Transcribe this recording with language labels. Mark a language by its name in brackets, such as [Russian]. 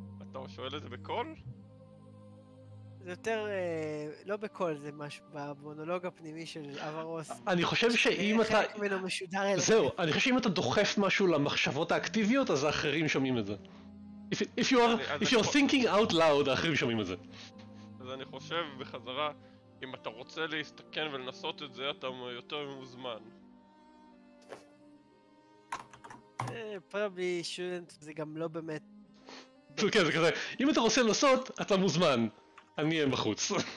[Hebrew] אתה שואל את זה בקול? זה יותר, לא בקול, זה משהו, במונולוג הפנימי של אברוס. אני חושב שאם אתה... חלק ממנו משודר אליי. זהו, אני חושב שאם אתה דוחף משהו למחשבות האקטיביות, אז האחרים שומעים את זה. [English] If you're thinking out loud, [Hebrew] האחרים שומעים את זה. אז אני חושב בחזרה, אם אתה רוצה להסתכן ולנסות את זה, אתה יותר מוזמן. [English] Probably shouldn't, [Hebrew] זה גם לא באמת... כן, זה כזה, אם אתה רוצה לנסות, אתה מוזמן. אני אהיה בחוץ.